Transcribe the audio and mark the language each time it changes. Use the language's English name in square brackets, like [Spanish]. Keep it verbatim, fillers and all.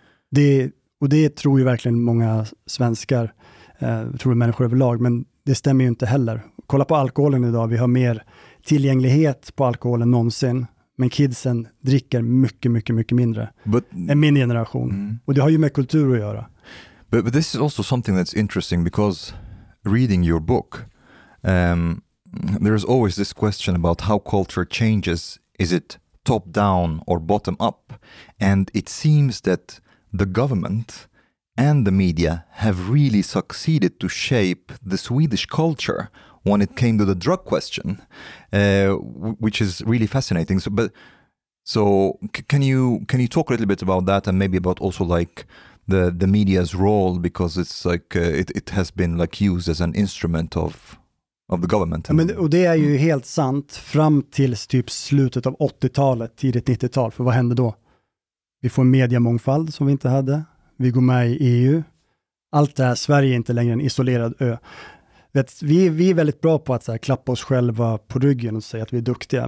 [Swedish] Det, och det tror ju verkligen många svenskar, Eh, tror jag, människor överlag, men det stämmer ju inte heller. Kolla på alkoholen idag, vi har mer tillgänglighet på alkoholen någonsin, men kidsen dricker mycket, mycket, mycket mindre but, än min generation. Mm. Och det har ju med kultur att göra. [English] But, but this is also something that's interesting, because reading your book, um, there is always this question about how culture changes. Is it top down or bottom up? And it seems that the government and the media have really succeeded to shape the Swedish culture when it came to the drug question, uh, w- which is really fascinating. So, but so c- can you can you talk a little bit about that, and maybe about also like the, the media's role, because it's like uh, it it has been like used as an instrument of of the government. I mean, [Swedish] och det är ju helt sant fram till typ slutet av åttiotalet, tidigt nittiotal. För vad hände då? Vi får en mediemångfald som vi inte hade. Vi går med i E U. Allt det här, Sverige är inte längre en isolerad ö. Vet, vi, vi är väldigt bra på att så här, klappa oss själva på ryggen och säga att vi är duktiga.